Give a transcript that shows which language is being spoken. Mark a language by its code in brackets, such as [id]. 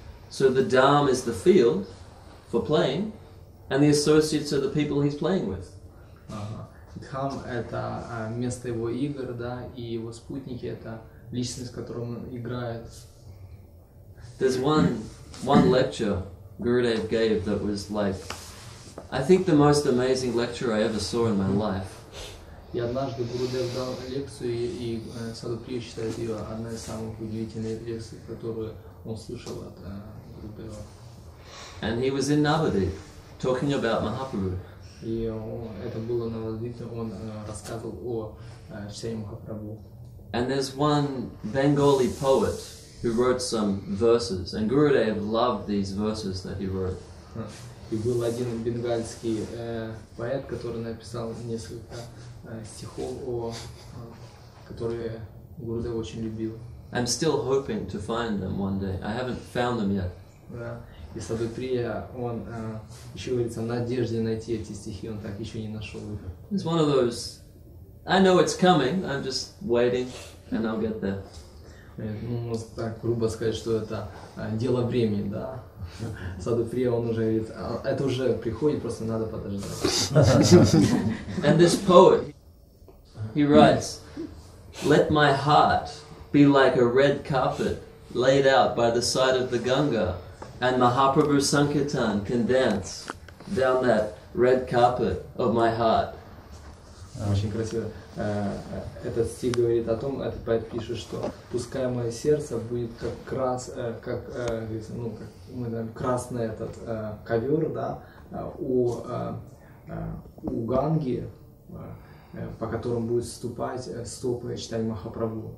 [en] So the Dham is the field for playing, and the associates are the people he's playing with. [ru] Дхам это место его игр, да, и его спутники это личность, с которым он играет. [en] There's one lecture Gurudev gave that was like, I think the most amazing lecture I ever saw in my life. [ru] И однажды Гурудев дал лекцию, и Садхуприя считает ее одной из самых удивительных лекций, которую он слышал от Гурудева. [en] And he was in Navadvip, talking about Mahaprabhu. [ru] И это было Навадвип, он рассказывал о Чайтанья Махапрабху. [en] And there's one Bengali poet who wrote some verses, and Gurudev loved these verses that he wrote. [ru] И был один бенгальский поэт, который написал несколько стихов, которые Гурудев очень любил. [en] I'm still hoping to find them one day. I haven't found them yet. [ru] Да. И Садхуприя, он еще говорится, в надежде найти эти стихи, он так еще не нашел их. [en] It's one of those, I know it's coming, I'm just waiting, and I'll get there. [ru] Ну, можно так грубо сказать, что это дело времени, да. Садхуприя, он уже говорит, это уже приходит, просто надо подождать. [en] And this poet, he writes, let my heart be like a red carpet laid out by the side of the Ganga, And Mahaprabhu Sankirtan can dance down that red carpet of my heart. [ru] Очень красиво. Этот стих говорит о том, этот поэт пишет, что пускай мое сердце будет как крас, как ну как мы говорим, красный этот ковер, да, у Ганги, по которому будет ступать стопы читать Махапрабху.